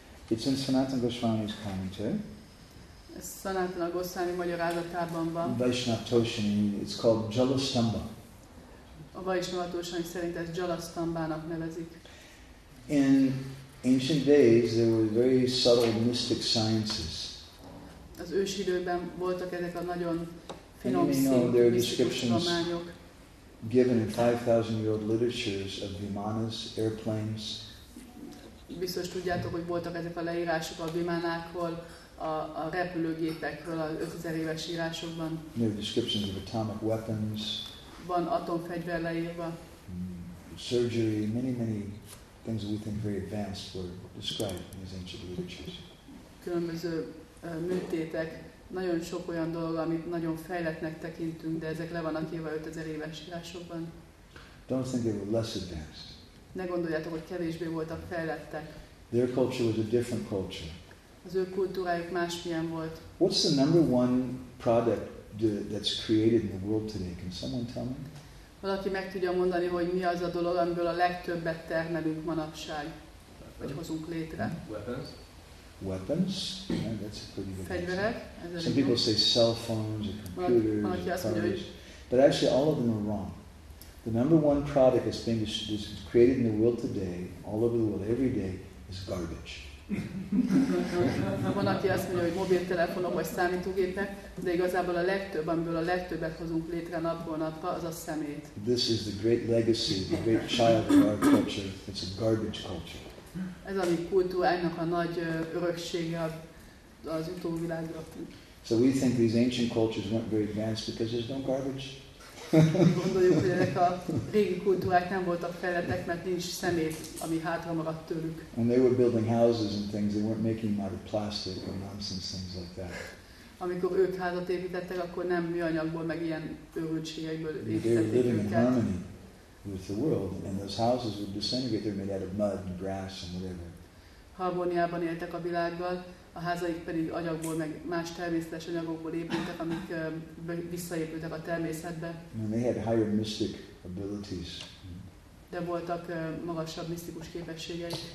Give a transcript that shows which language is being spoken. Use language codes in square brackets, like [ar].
[en] It's in Sanatana Goswami's commentary. [hu] Sanatana Goswami magyarázatában van. [en] Vaishnava Toshani, it's called Jalastamba. [hu] A Vaishnava Toshani szerint ezt Jalastambának nevezik. [en] In ancient days, there were very subtle mystic sciences. [hu] Az ősi időben voltak ezek a nagyon finom tudományok. [en] Given in 5,000-year-old literatures of vimanas, airplanes. [hu] Biztos tudjátok, hogy voltak ezek a leírások a vimánákról, a repülőgépekről, a 5000 éves írásokban. [en] New descriptions of atomic weapons. [hu] Van atomfegyver leírva. [en] Surgery, many things we think very advanced were described in these ancient literatures. [hu] Különböző műtétek, nagyon sok olyan dolog, amit nagyon fejlettnek tekintünk, de ezek le vannak írva 5000 éves írásokban. [en] Don't think they were less advanced. [hu] Ne gondoljátok, hogy kevésbé voltak fejlettek. [en] Their culture was a different culture. [hu] Az ő kultúrájuk másmilyen volt. [en] What's the number one product that's created in the world today? Can someone tell me? [hu] Valaki meg tudja mondani, hogy mi az a dolog, amiből a legtöbbet termelünk manapság, vagy hozunk létre? [en] Weapons? Yeah, that's a pretty good [hu] fegyverek? [en] Some [hu] jó. [en] People say cell phones or computers. But actually all of them are wrong. The number one product that's being created in the world today, all over the world, every day, is garbage. [hu] Van, aki azt mondja, hogy mobiltelefonok vagy számítógépek, de igazából a legtöbb, amiből a legtöbbet hozunk létre napról napra, az a szemét. [en] This is the great legacy, the great child of our culture. It's a garbage culture. [hu] Ez a mi kultúrának a nagy öröksége az utóvilágra. [en] So we think these ancient cultures weren't very advanced because there's no garbage. [hu] Gondoljuk, hogy ezek a régi kultúrák nem voltak fejlettek, mert nincs szemét, ami hátra maradt tőlük. [en] When they were building houses and things, they weren't making out of plastic or nonsense things like that. [hu] Amikor ők házat építettek, akkor nem műanyagból, meg ilyen őrültségekből építették őket. [en] They were living in harmony with the world, and those houses would disintegrate. They're made out of mud and grass and whatever. [hu] Harmóniában éltek a világgal, a házaik pedig agyagból, meg más természetes anyagokból épültek, amik visszaépültek a természetbe. [en] And they had higher mystic abilities. [hu] De voltak magasabb misztikus képességeik.